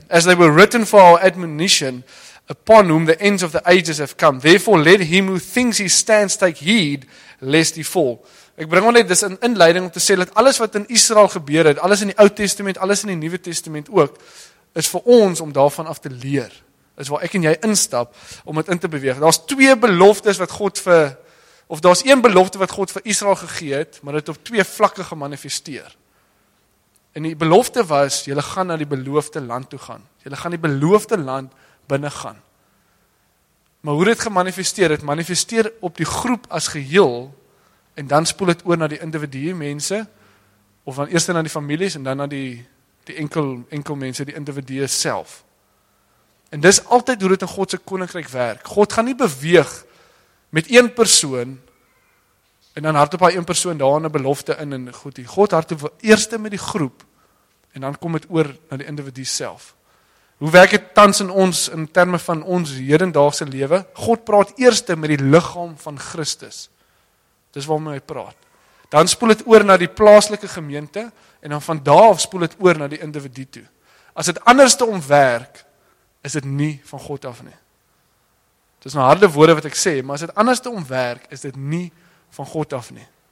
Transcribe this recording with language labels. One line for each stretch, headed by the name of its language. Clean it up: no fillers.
English: As they were written for our admonition, upon whom the ends of the ages have come. Therefore let him who thinks he stands take heed lest he fall.
Afrikaans: Ek bring maar net dis 'n inleiding om te sê dat alles wat in Israel gebeur het, alles in die Ou Testament, alles in die Nuwe Testament ook, is vir ons om daarvan af te leer. Is waar ek en jy instap om dit in te beweeg. Daar's twee beloftes wat God vir of daar's een belofte wat God vir Israel gegee het, maar dit op twee vlakke gemanifesteer. En die belofte was, julle gaan na die beloofde land toe gaan. Julle gaan die beloofde land binne gaan. Maar hoe dit gemanifesteer het, manifesteer op die groep as geheel en dan spoel dit oor na die individuele mense of dan eers na die families en dan na die enkel mense, die individue self. En dis altyd hoe dit in God se koninkryk werk. God gaan nie beweeg met een persoon en dan hardop hy een persoon daar in 'n belofte in en goed hier. God hardop eers met die groep en dan kom dit oor na die individu self. Hoe werk dit tans in ons in terme van ons hedendaagse lewe? God praat eers met die liggaam van Christus. Dis waarmee hy praat. Dan spoel dit oor na die plaaslike gemeente en dan van daar af spoel dit oor na die individu toe. As dit andersom werk, is dit nie van God af nie. Dit is nou harde woorde wat ek sê, maar as dit anders te omwerk, is dit nie van God af nie.